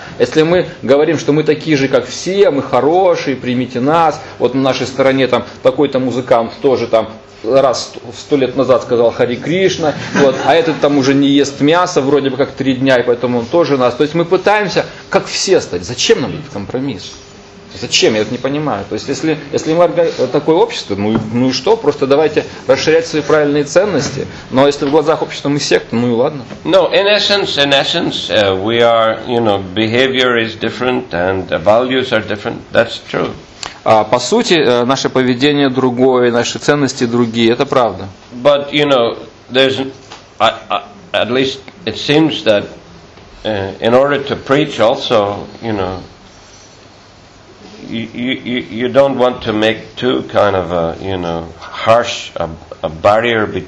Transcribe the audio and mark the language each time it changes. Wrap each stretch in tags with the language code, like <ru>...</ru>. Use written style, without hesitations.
<ru>Если мы говорим, что мы такие же, как все, мы хорошие, примите нас, вот на нашей стороне там такой-то музыкант тоже там раз в 100 лет назад сказал Хари Кришна, вот, а этот там уже не ест мясо вроде бы как 3 дня, и поэтому он тоже нас. То есть мы пытаемся как все стать. Зачем нам этот компромисс? Зачем? Я это не понимаю. То есть, если мы такое общество, ну и что? Просто давайте расширять свои правильные ценности. Но если в глазах общества мы секта, ну и ладно.</ru> <en>No, in essence, we are, you know, behavior is different and values are different. That's true.</en> <ru>По сути, наше поведение другое, наши ценности другие. Это правда.</ru> <en>But, you know, there's, at least it seems that in order to preach also, you know, You don't want to make too kind of a, you know, harsh a barrier.</en>